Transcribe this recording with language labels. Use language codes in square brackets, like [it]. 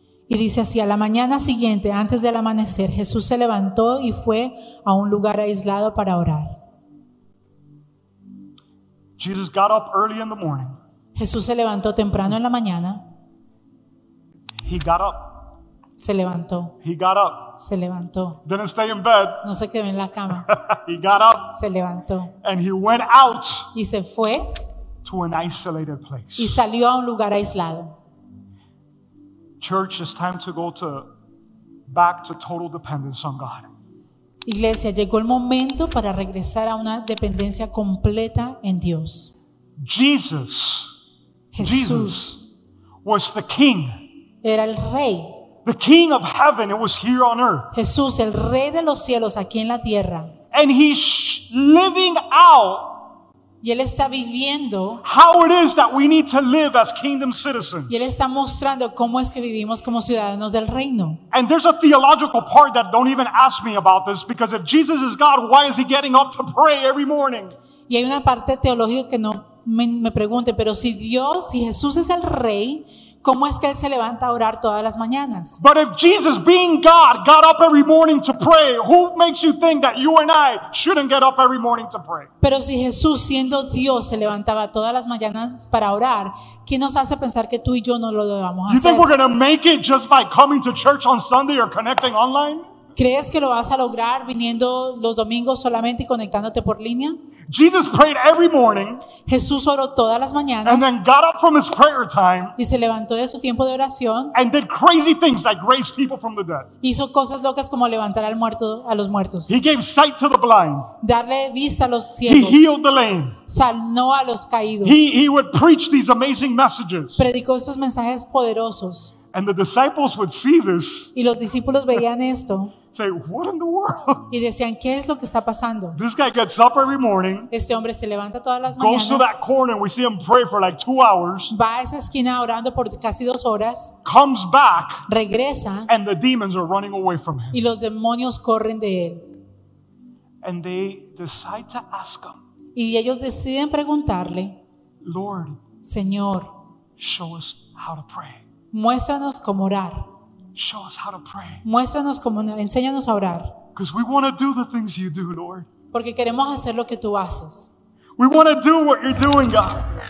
[es] Y dice así: a la mañana siguiente, antes del amanecer, Jesús se levantó y fue a un lugar aislado para orar. [en] Jesus got up early in the morning. [es] Jesús se levantó temprano en la mañana. [en] He got up. [es] Se levantó. [en] He got up. [es] Se levantó. [en] Didn't stay in bed. [es] No se quedó en la cama. [en] He got up. [es] Se levantó. [en] And he went out. [es] Y se fue. [en] To an isolated place. [es] Y salió a un lugar aislado. [en] Church, it's time to go to back to total dependence on God. [es] Iglesia, llegó el momento para regresar a una dependencia completa en Dios. [en] Jesus. [es] Jesús [en] was the king. [es] Era el rey. [en] The king of heaven, it was here on earth. [es] Jesús, el rey de los cielos aquí en la tierra. [en] And he's living out. [es] Y él está viviendo. [en] How it is that we need to live as kingdom citizens. [es] Y él está mostrando cómo es que vivimos como ciudadanos del reino. [en] And there's a theological part that don't even ask me about this, because if Jesus is God, why is he getting up to pray every morning? [es] Y hay una parte teológica que no me pregunte, pero si Dios, si Jesús es el rey, ¿cómo es que él se levanta a orar todas las mañanas? [en] But if Jesus, being God, got up every morning to pray, who makes you think that you and I shouldn't get up every morning to pray? [es] Pero si Jesús, siendo Dios, se levantaba todas las mañanas para orar, ¿qué nos hace pensar que tú y yo no lo debamos hacer? [en] You think we're gonna make it just by coming to church on Sunday or connecting online? [es] ¿Crees que lo vas a lograr viniendo los domingos solamente y conectándote por línea? [en] Jesus prayed every morning. [es] Jesús oró todas las mañanas. [en] And then got up from his prayer time. [es] Y se levantó de su tiempo de oración. [en] And did crazy things like raise people from the dead. [es] Hizo cosas locas como levantar al muerto a los muertos. [en] He gave sight to the blind. [es] Darle vista a los ciegos. [en] He healed the lame. [es] Sanó a los caídos. [en] He would preach these amazing messages. [es] Predicó estos mensajes poderosos. [en] And the disciples would see this. [es] Y los discípulos veían esto. [en] Say, what in the world? [es] Y decían, ¿qué es lo que está pasando? [en] This guy gets up every morning. [es] Este hombre se levanta todas las mañanas. [en] Goes to that corner, we see him pray for like 2 hours. [es] Va a esa esquina orando por casi 2 horas. [en] Comes back. [es] Regresa. [en] And the demons are running away from him. [es] Y los demonios corren de él. [en] And they decide to ask him. [es] Y ellos deciden preguntarle. [en] Lord, [es] Señor, [en] show us how to pray. [es] Muéstranos cómo orar. [en] Show us how to pray. [es] Muéstranos cómo, enséñanos a orar. [en] Because we want to do the things you do, Lord. [es] Porque queremos hacer lo que tú haces. [en] We want to do what you're doing, God.